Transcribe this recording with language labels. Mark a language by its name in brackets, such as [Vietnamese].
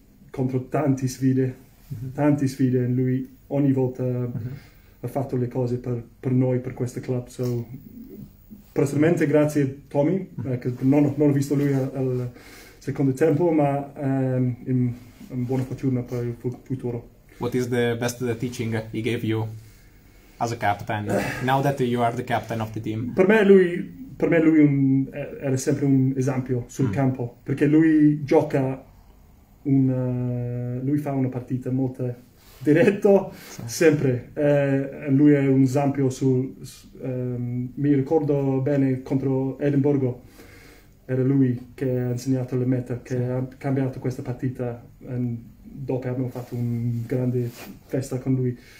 [Italian] contro tanti sfide, tanti sfide. Lui ogni volta ha fatto le cose per noi, per questo club. So, personalmente grazie Tommy, che non ho visto lui al secondo tempo, ma in buona fortuna per il futuro. [English] What is the best teaching he gave you as a captain, now that you are the captain of the team? [Italian] Per me lui era sempre un esempio sul campo, perché lui gioca, lui fa una partita molto diretto, sempre. Lui è un esempio mi ricordo bene contro Edimburgo, era lui che ha insegnato le meta, che ha cambiato questa partita, e dopo abbiamo fatto una grande festa con lui.